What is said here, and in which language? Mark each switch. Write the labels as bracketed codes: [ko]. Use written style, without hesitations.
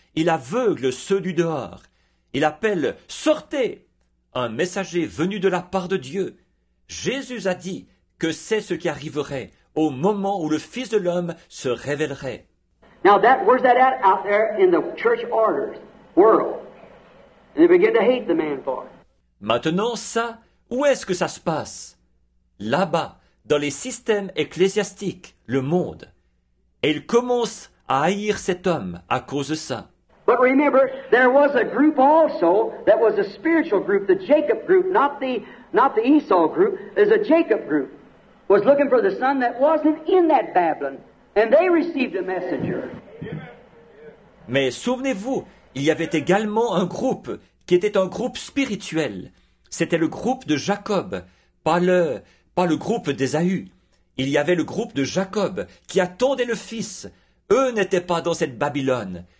[fr] Il aveugle ceux du dehors. Il appelle, sortez! Un messager venu de la part de Dieu. Jésus a dit que c'est ce qui arriverait au moment où le Fils de l'homme se révélerait. [en] Now that, where's that at out there in the church orders, world? And they begin to hate the man for it. [fr] Maintenant, ça, où est-ce que ça se passe? Là-bas, dans les systèmes ecclésiastiques, le monde. Et il commence à haïr cet homme à cause de ça. [en] But remember, there was a group also that was a spiritual group, the Jacob group, not the Esau group, is a Jacob group. Was looking for the son that wasn't in that Babylon, and they received a messenger. [fr] Mais souvenez-vous, il y avait également un groupe qui était un groupe spirituel. C'était le groupe de Jacob, pas le groupe d'Ésaü. Il y avait le groupe de Jacob qui attendait le fils. Eux n'étaient pas dans cette Babylone.